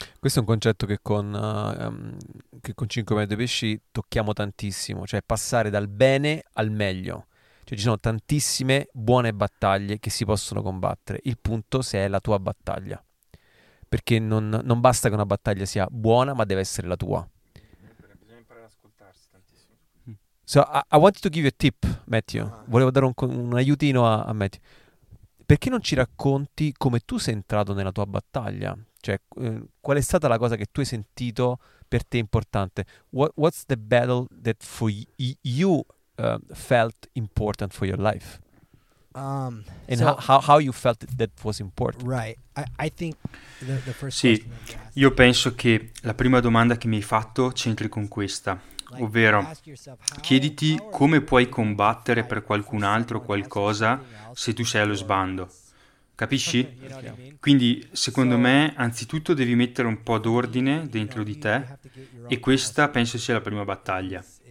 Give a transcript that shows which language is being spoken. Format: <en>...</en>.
<it>Questo è un concetto che con 5 metri pesci tocchiamo tantissimo, cioè passare dal bene al meglio. Cioè, ci sono tantissime buone battaglie che si possono combattere. Il punto se è la tua battaglia. Perché non basta che una battaglia sia buona, ma deve essere la tua. Bisogna imparare ad ascoltarsi tantissimo.</it> <en>So, I wanted to give you a tip, Matthew.</en> <it>Volevo dare un aiutino a Matthew. Perché non ci racconti come tu sei entrato nella tua battaglia? Cioè, qual è stata la cosa che tu hai sentito per te importante?</it> <en>What's the battle that for you... felt important for your life, and so how you felt that was important? Right, I think the first.</en> <it>Sì, io penso che la prima domanda che mi hai fatto c'entri con questa, ovvero chiediti come puoi combattere per qualcun altro qualcosa se tu sei allo sbando. Capisci? Quindi, secondo me, anzitutto devi mettere un po' d'ordine dentro di te, e questa penso sia la prima battaglia.</it>